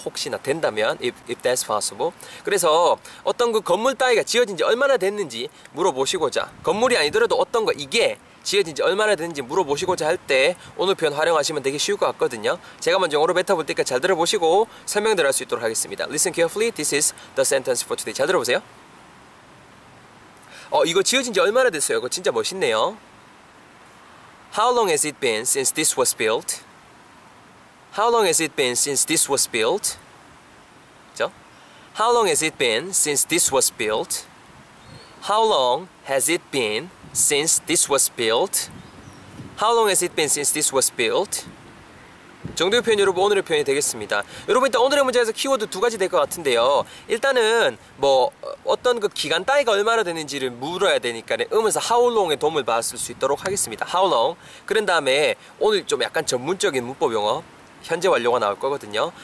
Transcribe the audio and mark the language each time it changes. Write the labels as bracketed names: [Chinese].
[Korean] 혹시나 된다면, [English] if that's possible. [Korean] 그래서 어떤 그 건물 따위가 지어진 지 얼마나 됐는지 물어보시고자, 건물이 아니더라도 어떤 거 이게 지어진 지 얼마나 됐는지 물어보시고자 할 때 오늘 표현 활용하시면 되게 쉬울 것 같거든요. 제가 먼저 영어로 뱉어볼 테니까 잘 들어보시고 설명들 할 수 있도록 하겠습니다. [English] Listen carefully. This is the sentence for today. [Korean] 잘 들어보세요. 이거 지어진 지 얼마나 됐어요? 이거 진짜 멋있네요. [English] How long has it been since this was built? How long has it been since this was built? [Korean] 그렇죠? [English] How long has it been since this was built? How long has it been since this was built? How long has it been since this was built? [Korean] 정도의 표현, 여러분 오늘의 표현이 되겠습니다. 여러분 일단 오늘의 문제에서 키워드 두 가지 될 것 같은데요. 일단은 뭐 어떤 그 기간 따위가 얼마나 되는지를 물어야 되니까 음에서 how long의 도움을 받을 수 있도록 하겠습니다. [English] How long. [Korean] 그런 다음에 오늘 좀 약간 전문적인 문법 용어, 현재 완료가 나올 거거든요.